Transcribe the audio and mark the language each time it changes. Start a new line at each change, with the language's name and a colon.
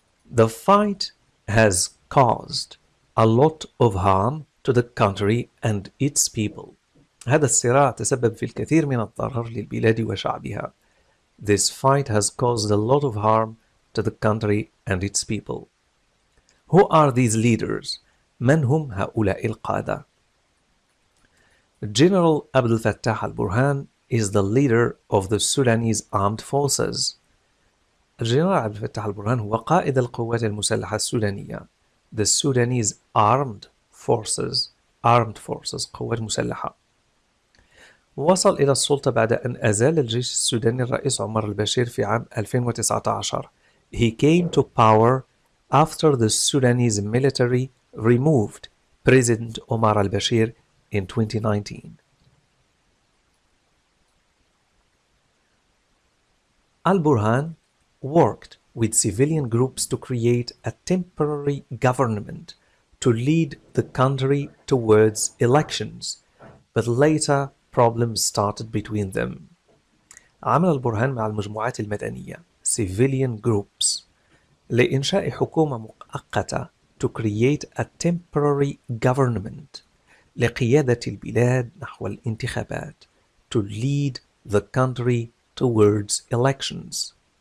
English: The fight has caused a lot of harm to the country and its people.
Arabic: هذا الصراع تسبب في الكثير من الضرر للبلاد وشعبها.
English: This fight has caused a lot of harm to the country and its people. Who are these leaders?
Arabic: من هم هؤلاء القادة؟
English: General Abdel Fattah al-Burhan is the leader of the Sudanese armed forces.
Arabic: الجنرال عبد الفتاح البرهان هو قائد القوات المسلحة السودانية.
English: The Sudanese armed forces
Arabic: قوات مسلحة. وصل إلى السلطة بعد أن أزال الجيش السوداني الرئيس عمر البشير في عام 2019.
English: He came to power after the Sudanese military removed President Omar al-Bashir in 2019. البرهان worked with civilian groups to create a temporary government to lead the country towards elections, but later problems started between them.
Arabic: عمل البرهان مع المجموعات المدنية
English: civilian groups
Arabic: لإنشاء حكومة مؤقتة
English: to create a temporary government
Arabic: لقيادة البلاد نحو الانتخابات
English: to lead the country towards elections.